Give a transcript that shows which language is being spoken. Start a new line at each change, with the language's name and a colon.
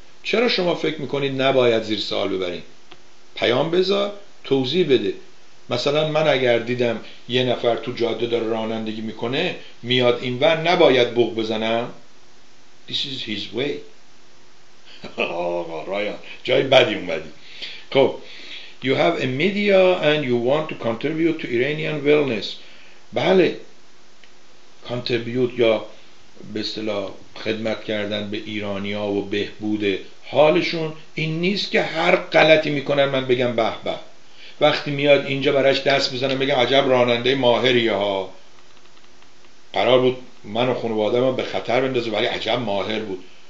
Persian: چرا شما فکر میکنید نباید زیر سوال ببرید؟ پیام بذار، توضیح بده. مثلا من اگر دیدم یه نفر تو جاده داره رانندگی میکنه میاد این ور، نباید بوق بزنم؟
English: This is his way.
Persian: آقا رایان جای بدی اومدی.
English: خب You have a media and you want to contribute to Iranian wellness.
Persian: بله، کانتریبیوت یا به اصطلاح خدمت کردن به ایرانی ها و بهبود حالشون، این نیست که هر غلطی میکنن من بگم به به، وقتی میاد اینجا براش دست بزنم بگم عجب راننده ماهری ها، قرار بود من و خانواده من به خطر بندازه ولی عجب ماهر بود.